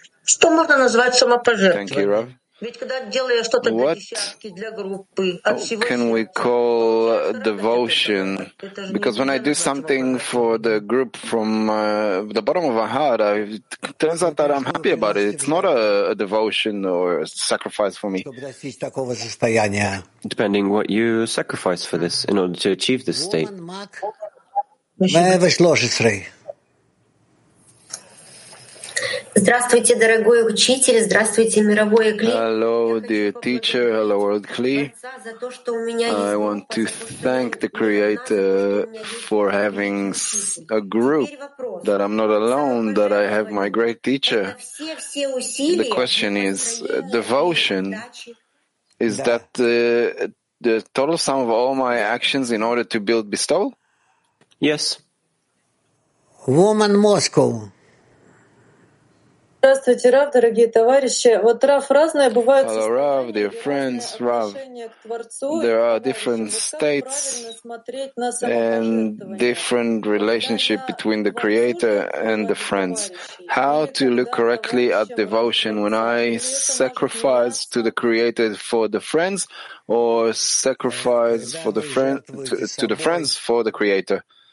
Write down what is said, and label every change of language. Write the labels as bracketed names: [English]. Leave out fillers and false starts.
[Russian] Что можно назвать самопожертвованием? [English] Thank you, Raf. [Russian] Ведь когда делаю что-то для десятки, для группы, от всего... [English] Can we call devotion? Because when I do something for the group from the bottom of my heart, it turns out that I'm happy about it. It's not a devotion or a sacrifice for me. Depending what you sacrifice for this in order to achieve this state. 113. [Russian] Здравствуйте, дорогой учитель. Здравствуйте, мировой кли. [English] Hello, dear teacher. Hello, world кли. I want to thank the Creator for having a group, that I'm not alone, that I have my great teacher. The question is, devotion, is that the total sum of all my actions in order to build bestowal? Yes. Woman Moscow. [Russian] Здравствуйте, Рав, дорогие товарищи. Вот Рав разное бывает. [English] Hello, Rav, dear friends, Rav. There are different states and different relationship between the Creator and the friends. How to look correctly at devotion when I sacrifice to the Creator for the friends, or sacrifice for the friend to the friends for the Creator?